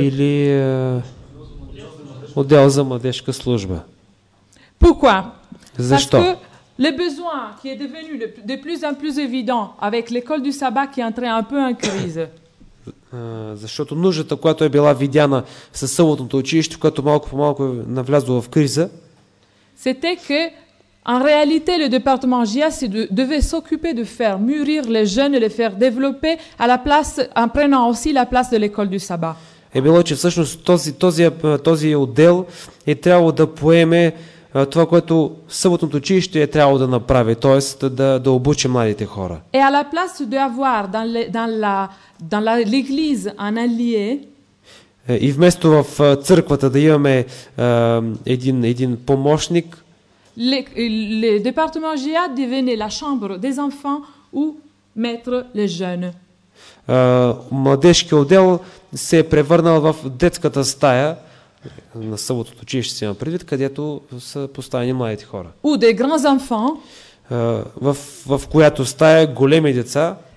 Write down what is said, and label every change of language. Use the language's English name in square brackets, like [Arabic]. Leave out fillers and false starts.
[Bulgarian] Или отдел за младежка служба. [French] Pourquoi? [Bulgarian] Защо? [French] Parce que le besoin qui est devenu de plus en plus évident avec l'école du sabbat qui est entrée un peu en crise. [Bulgarian] Защото нуждата, която е била видяна със съботното училище, което малко по малко навлязло в криза. [French] C'était que en réalité le département GIA devait s'occuper de faire mûrir les jeunes et les faire développer à la place en prenant aussi la place de l'école du sabbat. [Bulgarian] Е било, че всъщност този отдел е трябвало да поеме това, което съботното училище е трябвало да направи, т.е. да обучи младите хора. [French] И à la place de avoir dans l'église un allié. [Bulgarian] И вместо в църквата да имаме един помощник. [French] Le département GIA devenait la chambre des enfants où mettre les jeunes. [Bulgarian] Младежки отдел се е превърнал в детската стая на съботното училище, си има предвид, където са поставени младите хора. [French] Ou des grands enfants. [Bulgarian] В която стая големи деца.